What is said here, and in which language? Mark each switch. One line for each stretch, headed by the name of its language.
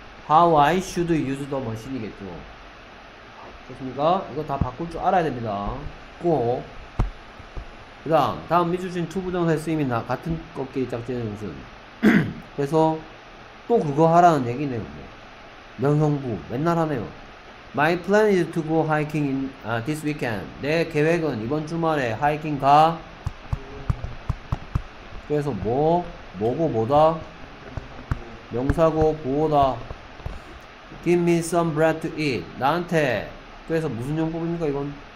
English: How I should use the machine
Korean: 이겠죠. 좋습니까? 이거 다 바꿀 줄 알아야 됩니다. 꼭. 그 다음, 미주신 투부정사의 쓰임이 나, 같은 것끼리 짝지는 것은. 그래서 또 그거 하라는 얘기네요. 뭐. 명형부 맨날 하네요.
English: My plan is to go hiking in this weekend.
Korean: 내 계획은 이번 주말에 하이킹 가. 그래서 뭐 뭐고 뭐다? 명사고 보호다.
English: Give me some bread to eat.
Korean: 나한테 그래서 무슨 용법입니까 이건?